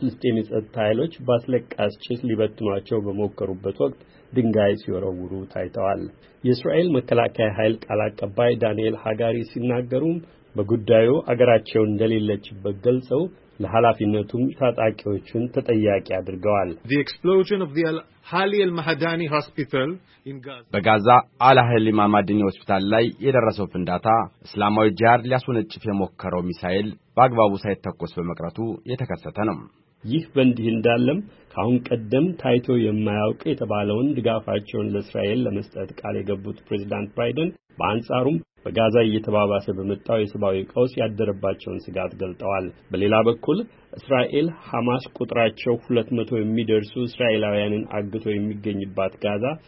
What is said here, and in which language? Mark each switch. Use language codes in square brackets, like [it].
[am] ፍልስጤም የጸጥታ ኃይሎች ባስለቃሽ ጭስ ሊበትኗቸው በመወከሩበት ወቅት ድንጋይ ሲወረውሩ ታይተዋል። የእስራኤል መከላከያ ኃይል ቃል አቀባይ ዳንኤል ሃጋሪ ሲናገሩም በጉዳዩ አገራቸው እንደሌለችበት ገልጸው ለሐላፊነቱም ታጣቂዎችን ተጠያቂ አድርገዋል። [en] The explosion of the Ahli al-Mahdani Hospital in Gaza. [am] በጋዛ አልአህሊ ማማዲኒ ሆስፒታል ላይ የደረሰው ፍንዳታ እስላማዊ ጂሃድ ሊያስወነጭፍ የሞከረው ሚሳኤል በአግባቡ ሳይተኮስ በመቅረቱ የተከሰተ ነው። ይህ በእንዲህ እንዳለም ካሁን ቀደም ታይቶ የማያውቅ የተባለውን ድጋፋቸውን ለእስራኤል ለመስጠት ቃል የገቡት ፕሬዝዳንት ባይደን በአንጻሩም በጋዛ እየተባባሰ በመጣው የሰብአዊ ቀውስ ያደረባቸውን ስጋት ገልጠዋል። በሌላ በኩል እስራኤል ሐማስ ቁጥራቸው 200 የሚደርሱ እስራኤላውያንን አግቶ የሚገኝባት ጋዛ